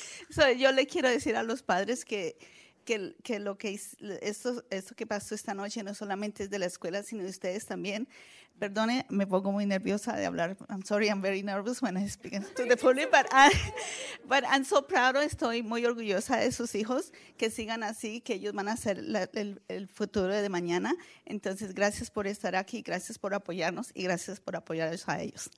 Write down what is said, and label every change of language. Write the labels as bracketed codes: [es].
[es] So, yo le quiero decir a los padres que lo que esto que pasó esta noche no solamente es de la escuela, sino de ustedes también. Perdone, me pongo muy nerviosa de hablar. [en] I'm sorry, I'm very nervous when I speak to the public, but I'm so proud. [es] Estoy muy orgullosa de sus hijos, que sigan así, que ellos van a ser el futuro de mañana. Entonces, gracias por estar aquí, gracias por apoyarnos y gracias por apoyar a ellos.